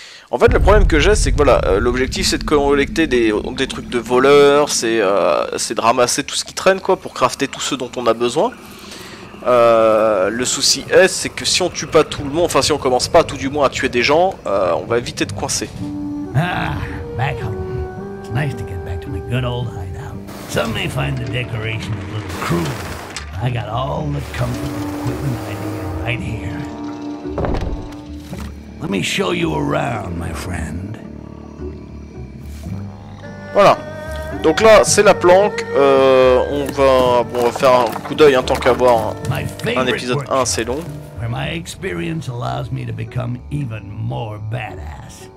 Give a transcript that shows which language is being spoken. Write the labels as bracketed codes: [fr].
[fr] En fait, le problème que j'ai, c'est que voilà, l'objectif c'est de collecter des trucs de voleurs, c'est de ramasser tout ce qui traîne quoi, pour crafter tout ce dont on a besoin. Le souci est, c'est que si on tue pas tout le monde, enfin si on commence pas tout du moins à tuer des gens, on va vite être coincé. [en] Ah, back home. It's nice to get back to my good old hideout. Some may find the decoration a little cruel. I got all the comfortable equipment I need right here. Let me show you around, my friend. [fr] Voilà. Donc là, c'est la planque, on va faire un coup d'œil, hein, tant qu'à voir un épisode 1 assez long. [en] Where my experience allows me to become even more badass.